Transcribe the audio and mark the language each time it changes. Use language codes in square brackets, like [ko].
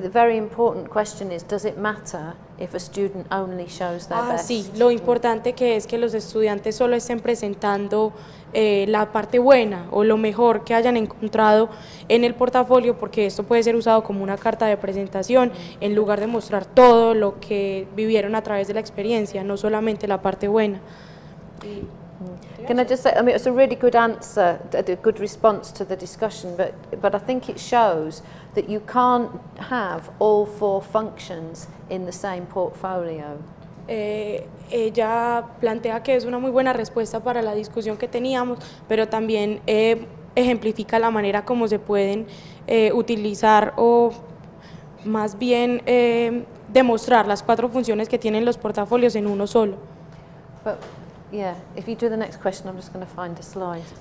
[en] The very important question is, does it matter if a student only shows their best? [es] Sí, lo importante que es que los estudiantes solo estén presentando la parte buena o lo mejor que hayan encontrado en el portafolio, porque esto puede ser usado como una carta de presentación en lugar de mostrar todo lo que vivieron a través de la experiencia, no solamente la parte buena. [en] Can I just say, I mean, it's a really good answer, a good response to the discussion, but I think it shows that you can't have all four functions in the same portfolio. [es] Ella plantea que es una muy buena respuesta para la discusión que teníamos, pero también ejemplifica la manera como se pueden utilizar o más bien demostrar las cuatro funciones que tienen los portafolios en uno solo. [en] But, yeah, if you do the next question, I'm just going to find a slide.